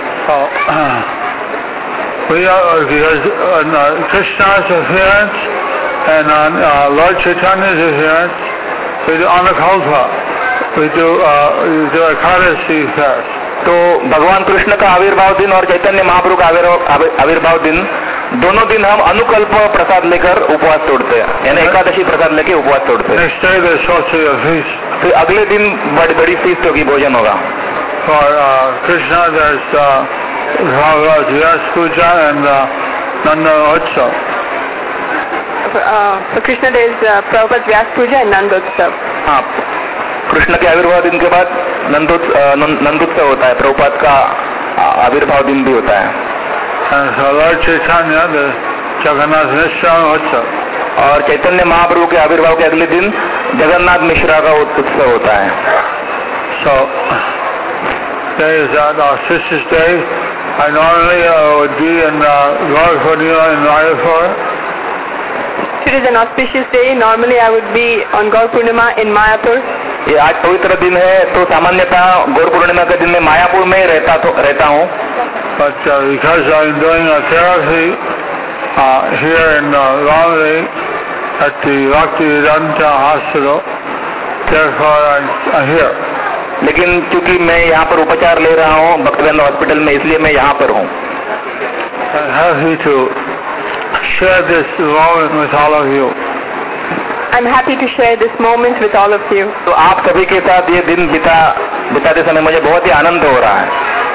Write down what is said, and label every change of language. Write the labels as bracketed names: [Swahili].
[English] Krishna's appearance and on Lord Chaitanya's appearance, we do anukalpa. We do a Ekadasi fast. [Hindi] तो भगवान कृष्ण का आविर्भाव दिन और चैतन्य महाप्रभु का आविर्भाव दिन दोनों दिन हम अनुकल्प प्रसाद लेकर उपवास तोड़ते हैं यानी एकादशी प्रसाद लेकर उपवास तोड़ते हैं. [English] Next day there is also a feast. [Hindi] फिर अगले दिन बड़ी बड़ी फीस्ट होगी भोजन होगा. [English] For Krishna there's Bhagavad Vyas Puja and Nanda Utsav. For Krishna there is Prabhupada Vyas Puja and Nanda Utsav. [Hindi] हाँ कृष्ण के आविर्भाव दिन के बाद नंदोत्सव होता है प्रभुपाद का आविर्भाव दिन भी होता है. जगन्नाथ मिश्रा उत्सव और चैतन्य महाप्रभु के आविर्भाव के अगले दिन जगन्नाथ मिश्रा का उत्सव होता है. [English] So there is that auspicious day. I normally would be in Gaurakunda in Mayapur. It is an auspicious day. Normally I would be on Gaurapurnima in Mayapur. [Hindi] ये आज पवित्र दिन है तो सामान्यतः गौरपूर्णिमा के दिन में मायापुर में रहता हूँ. [English] But because I'm doing a therapy here in Bombay at the Bhaktivedanta Hospital, therefore I'm here. [Hindi] लेकिन क्योंकि मैं यहाँ पर उपचार ले रहा हूँ भक्तवृंदा हॉस्पिटल में इसलिए मैं यहाँ पर हूँ. [English] I'm happy to share this moment with all of you. I'm happy to share this moment with all of you. [Hindi] तो आप सभी के साथ ये दिन बिताते समय मुझे बहुत ही आनंद हो रहा है.